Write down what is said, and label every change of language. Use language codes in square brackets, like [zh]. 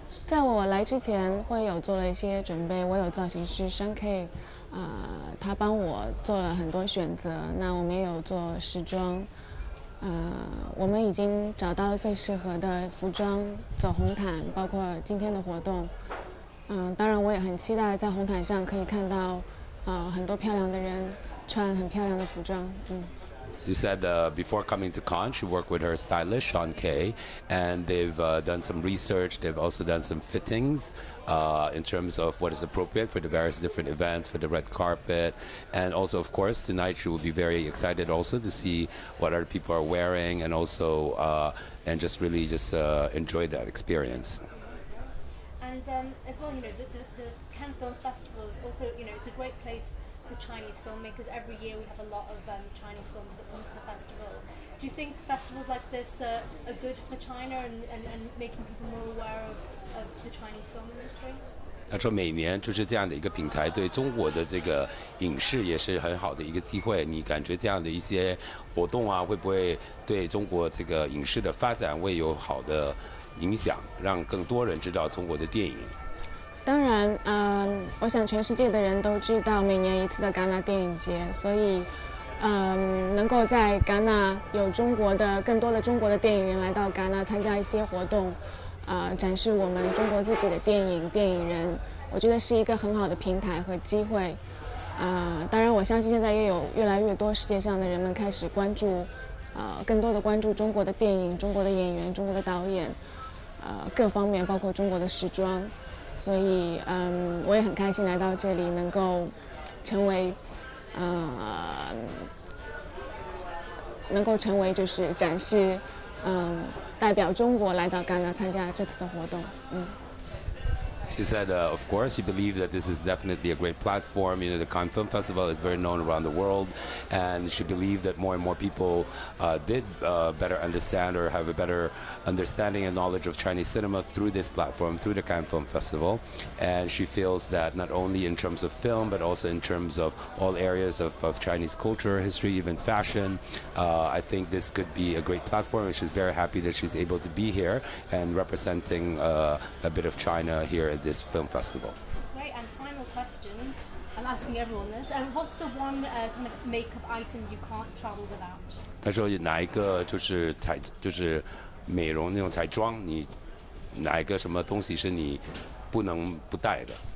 [zh] 在我来之前会有做了一些准备，我有造型师 Shanky、他帮我做了很多选择，那我们也有做时装，我们已经找到了最适合的服装走红毯，包括今天的活动。当然我也很期待在红毯上可以看到很多漂亮的人穿很漂亮的服装。 [en] She said before coming to Cannes, she worked with her stylist, Sean Kay, and they've done some research. They've also done some fittings in terms of what is appropriate for the various different events, for the red carpet. And also, of course, tonight she will be very excited also to see what other people are wearing and also and just really just enjoy that experience. And as well, you know, the Cannes Film Festival is also, you know, it's a great place. The Chinese filmmakers. Every year we have a lot of Chinese films that come to the festival. Do you think festivals like this are good for China and making people more aware of the Chinese film industry? [zh] 他说每年就是这样的一个平台对中国的这个影视也是很好的一个机会，你感觉这样的一些活动啊会不会对中国这个影视的发展会有好的影响，让更多人知道中国的电影？当然，我想全世界的人都知道每年一次的戛纳电影节，所以，能够在戛纳有中国的更多的中国的电影人来到戛纳参加一些活动，展示我们中国自己的电影电影人，我觉得是一个很好的平台和机会。当然，我相信现在也有越来越多世界上的人们开始关注，更多的关注中国的电影、中国的演员、中国的导演，各方面包括中国的时装。所以，我也很开心来到这里，能够成为，能够成为就是展示，代表中国来到戛纳参加这次的活动， [en] She said, of course, she believed that this is definitely a great platform. You know, the Cannes Film Festival is very known around the world. And she believed that more and more people better understand or have a better understanding and knowledge of Chinese cinema through this platform, through the Cannes Film Festival. And she feels that not only in terms of film, but also in terms of all areas of Chinese culture, history, even fashion, I think this could be a great platform. And she's very happy that she's able to be here and representing a bit of China here. At this film festival. Great, and final question. I'm asking everyone this. What's the one kind of makeup item you can't travel without? [zh] 他说有哪一个就是彩就是美容那种彩妆，你哪一个什么东西是你不能不带的